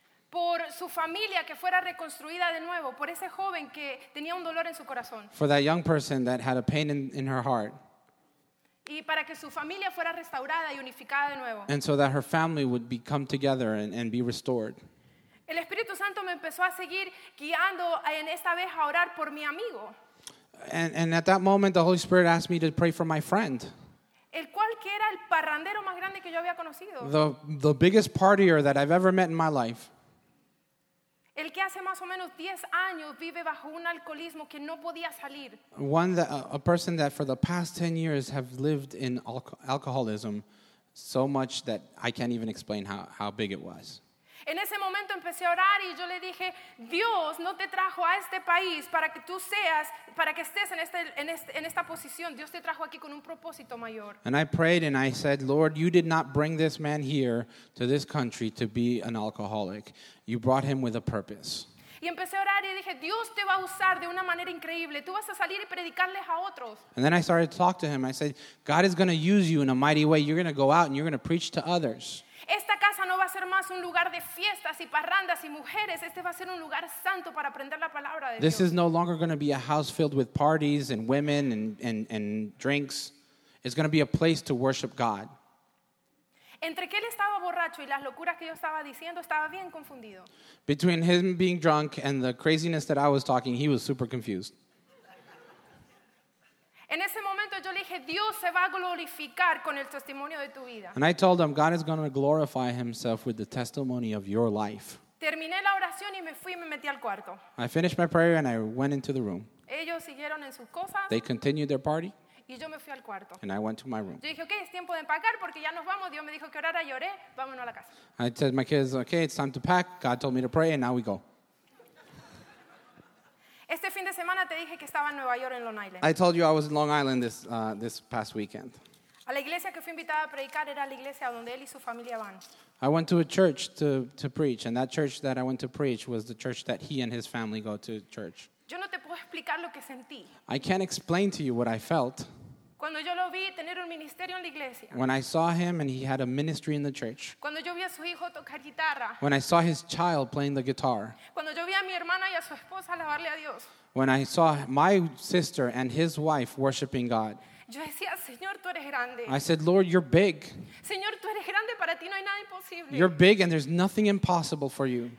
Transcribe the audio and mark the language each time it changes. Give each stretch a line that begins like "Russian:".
Spanish: Por su familia que fuera reconstruida de nuevo, por ese joven que tenía un dolor en su corazón.
English: For that young person that had a pain in her heart.
Spanish: Y para que su familia fuera restaurada y unificada de nuevo.
English: And so that her family would be come together and be restored.
Spanish: El Espíritu Santo me empezó a seguir guiando en esta vez a orar por mi amigo.
English: And at that moment the Holy Spirit asked me to pray for my friend.
Spanish: El cual que era el parrandero más grande que yo había conocido.
English: The biggest partier that I've ever met in my life.
Spanish: El que hace más o menos 10 años vive bajo un alcoholismo que no podía salir.
English: A person that for the past 10 years have lived in alcoholism so much that I can't even explain how big it was.
Spanish: En ese momento empecé a orar y yo le dije, Dios no te trajo a este país para que tú seas, para que estés en esta posición. Dios te trajo aquí con un propósito mayor.
English: And I prayed and I said, Lord, you did not bring this man here to this country to be an alcoholic. You brought him with a purpose.
Spanish: Y empecé a orar y dije, Dios te va a usar de una manera increíble. Tú vas a salir y predicarles a otros.
English: And then I started to talk to him. I said, God is going to use you in a mighty way. You're going to go out and you're going to preach to others.
Spanish: Esta casa no va a ser más un lugar de fiestas y parrandas y mujeres. Este va a ser un lugar santo para aprender la palabra de Dios.
English: This is no longer going to be a house filled with parties and women and drinks. It's going to be a place to worship God.
Spanish: Entre que él estaba borracho y las locuras que yo estaba diciendo, estaba bien confundido.
English: Between him being drunk and the craziness that I was talking, he was super confused.
Spanish: En ese momento yo le dije, Dios se va a glorificar con el testimonio de tu vida.
English: And I told him, God is going to glorify himself with the testimony of your life.
Spanish: Terminé la oración y me fui y me metí al cuarto.
English: I finished my prayer and I went into the room.
Spanish: Ellos siguieron en sus cosas.
English: They continued their party.
Spanish: Y yo me fui al cuarto.
English: And I went to my room.
Spanish: Yo dije, okay, es tiempo de empacar porque ya nos vamos. Dios me dijo que orara, lloré, vámonos a la casa.
English: I told my kids, okay, it's time to pack. God told me to pray and now we go.
Spanish: Este fin de semana te dije que estaba en Nueva York, en Long Island.
English: I told you I was in Long Island this past weekend.
Spanish: A la iglesia que fui invitada a predicar era la iglesia donde él y su familia van.
English: I went to a church to preach, and that church that I went to preach was the church that he and his family go to church.
Spanish: Yo no te puedo explicar lo que sentí.
English: I can't explain to you what I felt.
Spanish: Cuando yo lo vi tener un ministerio en la iglesia.
English: When I saw him and he had a ministry in the church.
Spanish: Cuando yo vi a su hijo tocar guitarra.
English: When I saw his child playing the guitar.
Spanish: Cuando yo vi a mi hermana y a su esposa alabarle a Dios.
English: When I saw my sister and his wife worshiping God.
Spanish: Yo decía, Señor, tú eres grande.
English: I said, Lord, you're big.
Spanish: Señor, tú eres grande, para ti no hay nada imposible.
English: You're big and there's nothing impossible for you.